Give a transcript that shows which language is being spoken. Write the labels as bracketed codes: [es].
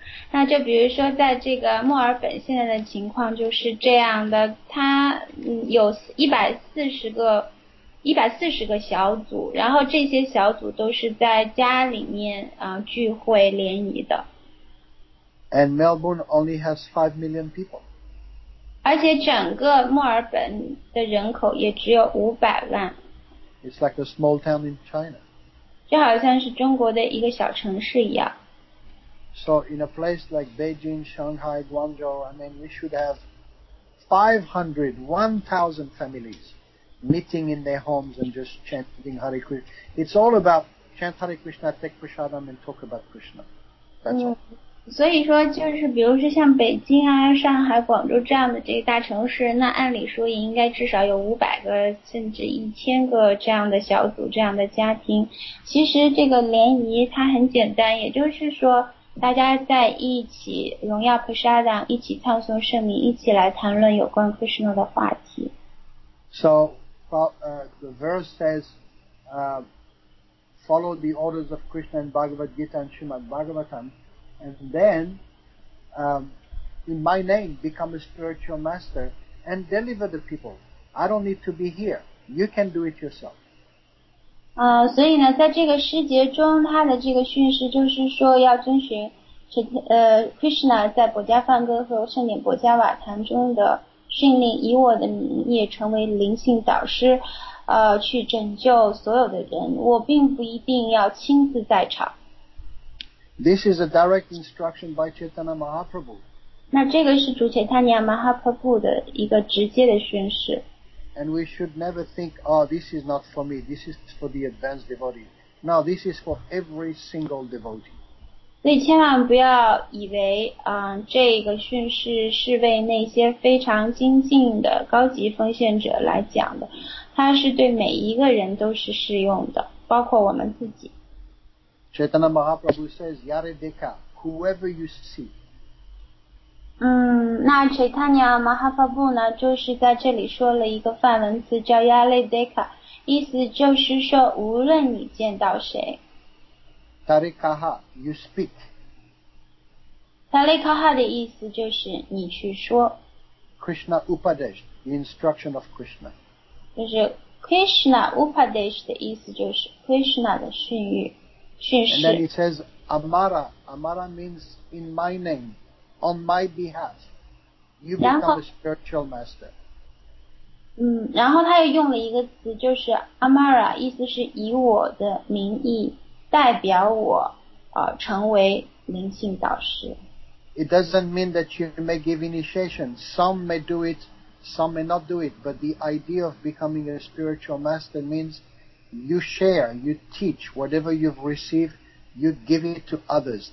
[zh] 那就比如说在这个墨尔本现在的情况就是这样的，它有140个小组，然后这些小组都是在家里面聚会联谊的。 [en] And Melbourne only has 5 million people. [zh] 而且整个墨尔本的人口也只有500万。 [en] It's like a small town in China. [zh] 就好像是中国的一个小城市一样。 [en] So in a place like Beijing, Shanghai, Guangzhou, I mean, we should have 500, 1,000 families meeting in their homes and just chanting Hare Krishna. It's all about chant Hare Krishna, take prasadam and talk about Krishna. That's all. [zh] 所以说就是比如说像北京啊、上海、广州这样的这些大城市，那按理说也应该至少有500个甚至1000个这样的小组、这样的家庭。其实这个联谊它很简单，也就是说大家在一起荣耀 Prasadam， 一起唱诵圣名，一起来谈论有关 Krishna 的话题。 [en] So, the verse says, follow the orders of Krishna in Bhagavad Gita and Srimad Bhagavatam, and then, in my name, become a spiritual master and deliver the people. I don't need to be here. You can do it yourself. [zh] 所以呢，在这个诗节中，他的这个训示就是说，要遵循Krishna 在博迦梵歌和圣典博迦瓦坛中的训令，以我的名义成为灵性导师，去拯救所有的人。我并不一定要亲自在场。 [en] This is a direct instruction by Chaitanya Mahaprabhu. [zh] 那这个是主切塔尼亚马哈帕布的一个直接的训示。 [en] And we should never think, oh, this is not for me, this is for the advanced devotee. No, this is for every single devotee. [zh] 所以千万不要以为这个训示是为那些非常精进的高级奉献者来讲的。它是对每一个人都是适用的，包括我们自己。 [en] Chaitanya Mahaprabhu says, Yare Deka, whoever you see, [zh] 那 Chaitanya Mahaprabhu 呢，就是在这里说了一个梵文词叫 Yale Deka， 意思就是说无论你见到谁。 [en] Tarikaha, you speak. [zh] Tarikaha 的意思就是你去说。 [en] Krishna Upadesh, the instruction of Krishna. [zh] 就是 Krishna Upadesh 的意思就是 Krishna 的训谕训示。 [en] And then it says Amara, Amara means in my name. On my behalf, you become a spiritual master. [zh] 然后他又用了一个词，就是 Amara， 意思是以我的名义代表我，成为灵性导师。 [en] It doesn't mean that you may give initiation. Some may do it, some may not do it. But the idea of becoming a spiritual master means you share, you teach whatever you've received, you give it to others.